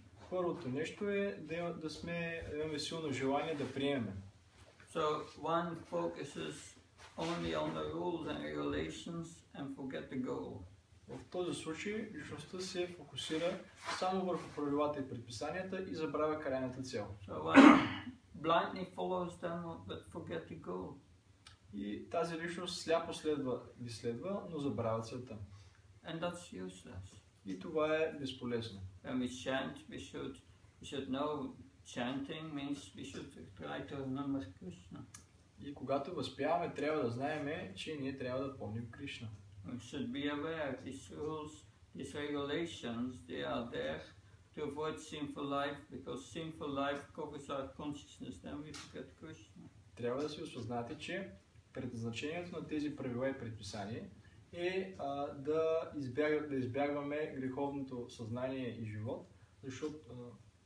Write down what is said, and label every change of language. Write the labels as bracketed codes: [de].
[bg] Първото нещо е да имаме силно желание да приемем. [en] So one focuses only on the rules and regulations and forget the goal. [bg] В този случай личността се фокусира само върху правилата и предписанията и забравя крайната цел. [en] So one blindly follows them but forget the goal. [bg] И тази личност сляпо следва, но забравя целта. [en] And that's useless. [bg] И това е безполезно. [en] When we chant, we should know chanting means we should try to remember Krishna. [bg] И когато възпяваме, трябва да знаем, че ние трябва да помним Кришна. [en] We should be aware of these rules, these regulations, they are there to avoid sinful life, because sinful life covers our consciousness, then we forget Krishna. [bg] Трябва да се осъзнате, че предназначението на тези правила и предписания е да избягваме греховното съзнание и живот, защото...